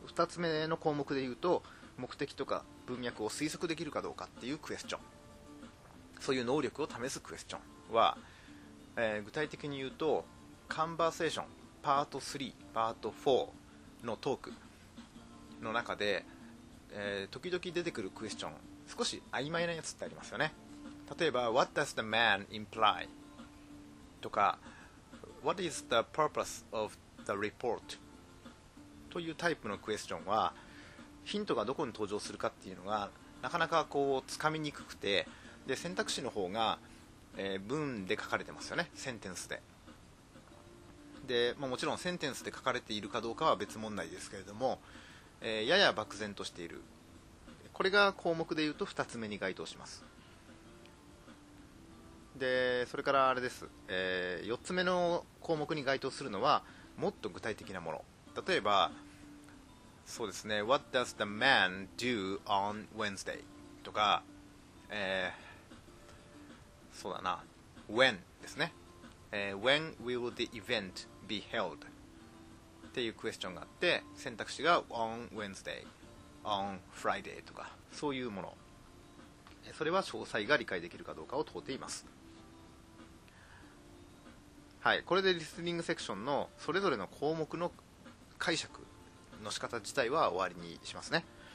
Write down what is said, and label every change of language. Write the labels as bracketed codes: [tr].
[ja] 2つ目の項目で言うと、目的とか文脈を推測できるかどうかっていうクエスチョン、そういう能力を試すクエスチョンは、具体的に言うとカンバーセーションパート3パート4のトークの中で、時々出てくるクエスチョン、少し曖昧なやつってありますよね。例えば [en] What does the man imply? とか What is the purpose of the report? [ja] というタイプのクエスチョンは、ヒントがどこに登場するかっていうのがなかなかこうつかみにくくて、で選択肢の方が、文で書かれてますよね、センテンスで。で、まあ、もちろんセンテンスで書かれているかどうかは別問題ですけれども、やや漠然としている、これが項目でいうと2つ目に該当します。で、それからあれです、4つ目の項目に該当するのはもっと具体的なもの。例えばそうですね、 [en] What does the man do on Wednesday? [ja] とか、そうだな、 [en] When ですね、When will the event be held? [ja] っていうクエスチョンがあって、選択肢が [en] On Wednesday, On Friday [ja] とか、そういうもの。それは詳細が理解できるかどうかを問うています。はい、これでリスニングセクションのそれぞれの項目の解釈の仕方自体は終わりにしますね。